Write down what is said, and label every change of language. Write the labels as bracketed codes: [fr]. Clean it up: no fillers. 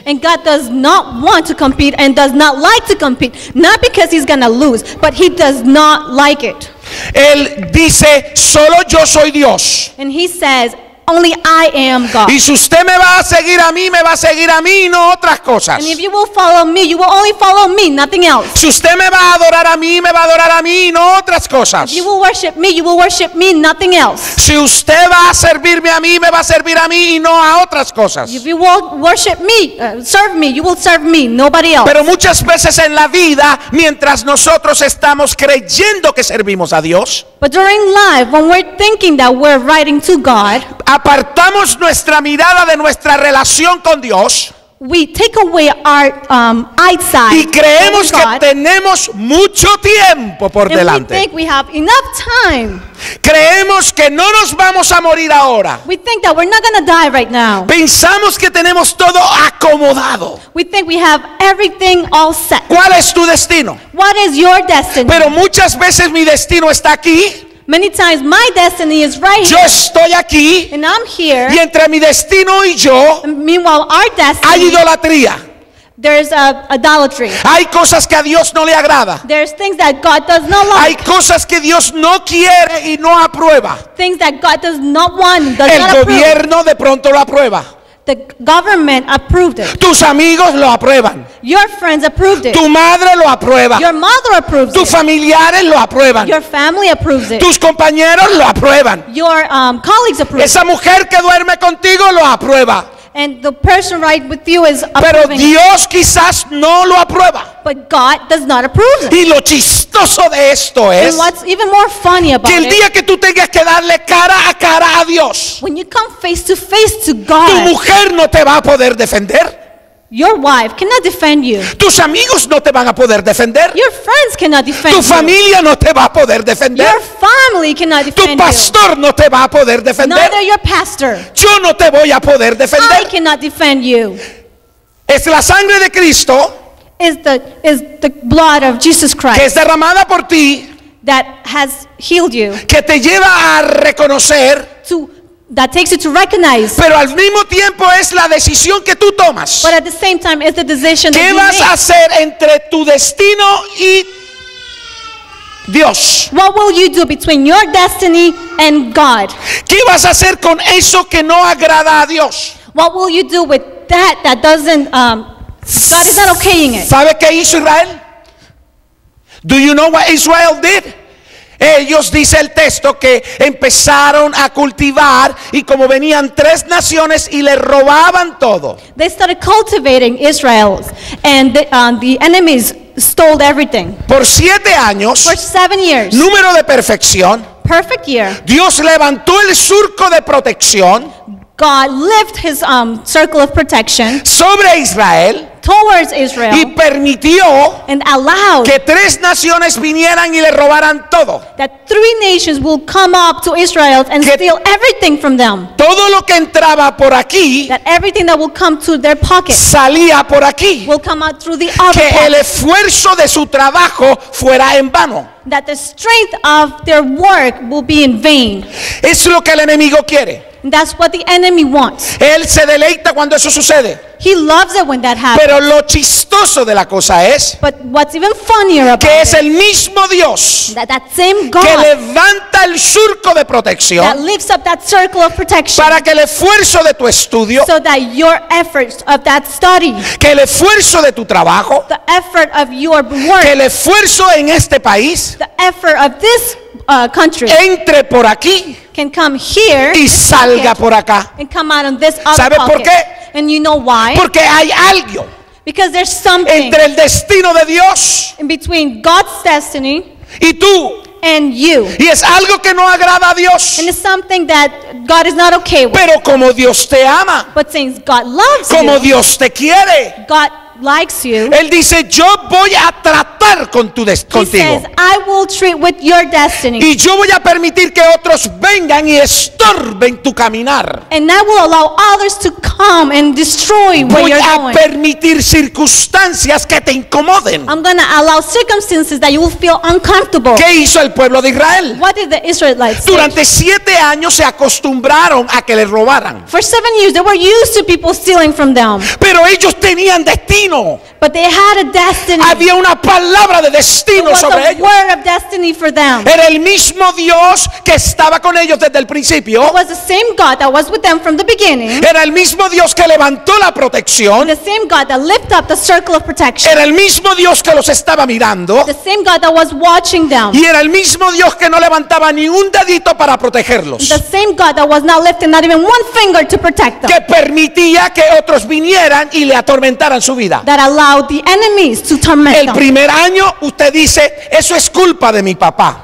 [en] And God does not want to compete and does not like to compete, not because he's gonna lose, but he does not like it. [es] Él dice, solo yo soy Dios. [en] And he says, only I am God. [es] Y si usted me va a seguir a mí, me va a seguir a mí y no otras cosas. [en] And if you will follow me, you will only follow me, nothing else. [es] Si usted me va a adorar a mí, me va a adorar a mí y no otras cosas. [en] If you will worship me, you will worship me, nothing else. [es] Si usted va a servirme a mí, me va a servir a mí y no a otras cosas. [en] If you will worship me, serve me, you will serve me, nobody else. [es] Pero muchas veces en la vida, mientras nosotros estamos creyendo que servimos a Dios, [en] but during life, when we're thinking that we're writing to God, [es] apartamos nuestra mirada de nuestra relación con Dios. [en] We take away our eyesight. [es] Y creemos que tenemos mucho tiempo por delante. [en] We think we have enough time. [es] Creemos que no nos vamos a morir ahora. [en] We think that we're not gonna die right now. [es] Pensamos que tenemos todo acomodado. [en] We think we have everything all set. [es] ¿Cuál es tu destino? [en] What is your destiny? [es] Pero muchas veces mi destino está aquí. [en] Many times my destiny is right here. [es] Yo estoy aquí. [en] And I'm here. [es] Y entre mi destino y yo, [en] meanwhile, our destiny, [es] hay idolatría. [en] There's idolatry. [es] Hay cosas que a Dios no le agrada. [en] There's things that God does not like. [es] Hay cosas que Dios no quiere y no aprueba. [en] Things that God does not want, does not approve. [es] gobierno de pronto lo aprueba. [en] The government approved it. [es] Tus amigos lo aprueban. [en] Your friends approved it. [es] Tu madre lo aprueba. [en] Your mother approves [es] tus [en] it. [es] Tus familiares lo aprueban. [en] Your family approves it. [es] Tus compañeros lo aprueban. [en] Your colleagues approve it. [es] Esa mujer que duerme contigo lo aprueba. [en] And the person right with you is approving. [es] Pero Dios quizás no lo aprueba. [en] But God does not approve it. [es] Y lo chistoso de esto es, [en] and what's even more funny about [es] que el día que tú tengas que darle cara a cara a Dios, [en] when you come face to face to God, [es] tu mujer no te va a poder defender. [en] Your wife cannot defend you. [es] Tus amigos no te van a poder defender. [en] Your friends cannot defend you. [es] Tu familia [en] you. [es] No te va a poder defender. [en] Your family cannot defend you. [es] Tu pastor [en] you. [es] No te va a poder defender. [en] Neither your pastor. [es] Yo no te voy a poder defender. [en] I cannot defend you. [es] Es la sangre de Cristo. [en] Is the blood of Jesus Christ. [es] Que es derramada por ti. [en] That has healed you. [es] Que te lleva a reconocer. [en] That takes you to recognize. [es] Pero al mismo tiempo es la decisión que tú tomas. [en] But at the same time it's the decision that you make. [es] ¿Qué vas a hacer entre tu destino y Dios? [en] What will you do between your destiny and God? [es] ¿Qué vas a hacer con eso que no agrada a Dios? [en] What will you do with God is not okaying it. [es] ¿Sabe qué hizo Israel? [en] Do you know what Israel did? [es] Ellos, dice el texto, que empezaron a cultivar, y como venían tres naciones y le robaban todo. [en] They started cultivating Israel, and the enemies stole everything. [es] Por 7 años. [en] For 7 years. [es] Número de perfección. [en] Perfect year. [es] Dios levantó el surco de protección. [en] God lift his circle of protection [es] sobre Israel, [en] towards Israel, [es] y permitió, [en] and allowed, [es] que tres naciones vinieran y le robaran todo. [en] That three nations will come up to Israel and steal everything from them. [es] Todo lo que entraba por aquí, [en] that everything that will come to their pocket, [es] salía por aquí, [en] will come out through the other pocket. [es] Que el esfuerzo de su trabajo fuera en vano. [en] That the strength of their work will be in vain. [es] Es lo que el enemigo quiere. [en] That's what the enemy wants. [es] Él se deleita cuando eso sucede. [en] He loves it when that happens. [es] Pero lo chistoso de la cosa es, [en] but what's even funnier about [es] que es el mismo Dios, [en] that same God, [es] que levanta el surco de protección, [en] that lifts up that circle of protection, [es] para que el esfuerzo de tu estudio, [en] so that your efforts of that study, [es] que el esfuerzo de tu trabajo, [en] the effort of your work, [es] que el esfuerzo en este país, [en] the effort of this country, [es] entre por aquí, [en] can come here, [es] y salga [en] pocket, [es] por acá, [en] and come out on this other pocket. [es] ¿Sabes por qué? [en] And you know why? [es] Porque hay algo. [en] Because there's something. [es] Entre el destino de Dios. [en] In between God's destiny. [es] Y tú. [en] And you. [es] Y es algo que no agrada a Dios. [en] And it's something that God is not okay with. [es] Pero como Dios te ama. [en] But since God loves you. [es] Como Dios te quiere. [en] God likes you. [es] Él dice, yo voy a tratar con tu contigo. [en] He says, I will treat with your destiny. [es] Y yo voy a permitir que otros vengan y estorben tu caminar. [en] And I will allow others to come and destroy where [es] voy [en] you're going. [es] Voy a permitir circunstancias que te incomoden. [en] I'm going to allow circumstances that you will feel uncomfortable. [es] ¿Qué hizo el pueblo de Israel? [en] What did the Israelites do? [es] Durante 7 años se acostumbraron a que les robaran. [en] For 7 years they were used to people stealing from them. [es] Pero ellos tenían destino. [en] But they had a destiny. [es] Había una palabra de destino sobre ellos. [en] It was a word of destiny for them. [es] Era el mismo Dios que estaba con ellos desde el principio. [en] It was the same God that was with them from the beginning. [es] Era el mismo Dios que levantó la protección. [en] The same God that lifted up the circle of protection. [es] Era el mismo Dios que los estaba mirando. [en] The same God that was watching them. [es] Y era el mismo Dios que no levantaba ni un dedito para protegerlos. [en] The same God that was not lifting not even one finger to protect them. [es] Que permitía que otros vinieran y le atormentaran su vida. [en] That allowed the enemies to torment [es] el primer año, usted dice, eso es culpa de mi papá.